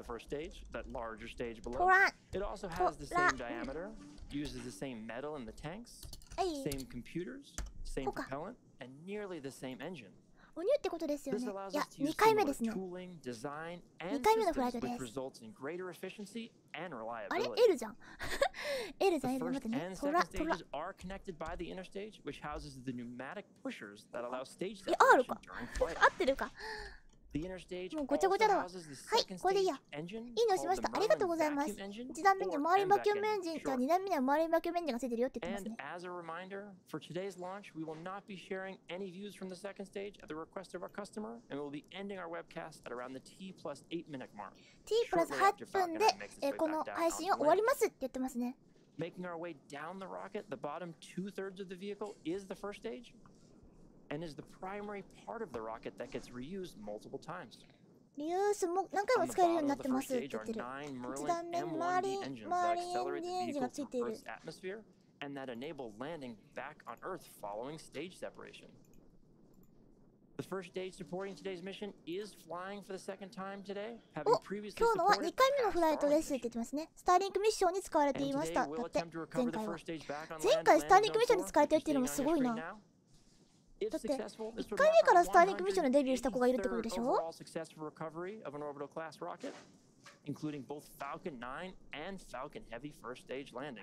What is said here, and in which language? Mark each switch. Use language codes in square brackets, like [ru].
[en] It also has the same diameter, uses the same metal in the tanks, same computers, same propellant, and nearly the same engine. [ja] おにゅってことですよね。いや、2回目ですね。 2 回目のフライトです。あれ ?L じゃん。 L じゃん、L じゃん。待ってね。トラ、トラ。え、R か。合ってるか。合ってる。合ってる。もうごちゃごちゃだわ。はい、これでいいや。いいのしました。ありがとうございます。 1段目に周りバキュームエンジンと2段目には周りバキュームエンジンがついてるよって言ってますね。 [en] And as a reminder, for today's launch, we will not be sharing any views from the second stage at the request of our customer, and we'll be ending our webcast at around the T+8 minute mark. [ja] T プラス8分で、この配信を終わりますって言ってますね。 [en] Making our way down the rocket, the bottom two-thirds of the vehicle is the first stage, and is the primary part of the rocket that gets reused multiple times. [ja] リユースも何回も使えるようになってますって言ってる。1段目マーリン、マーリンエンジンがついている。 [en] And that enabled landing back on Earth following stage separation. The first stage supporting today's mission is flying for the second time today. [ja] お、今日のは2回目のフライトですって言ってますね。スターリンクミッションに使われていました。だって前回は。前回スターリンクミッションに使われてるっていうのもすごいな。だって1回目からスターリンクミッションでデビューした子がいるってことでしょ。 [en] successful recovery of an orbital class rocket, including both Falcon 9 and Falcon Heavy first stage landings.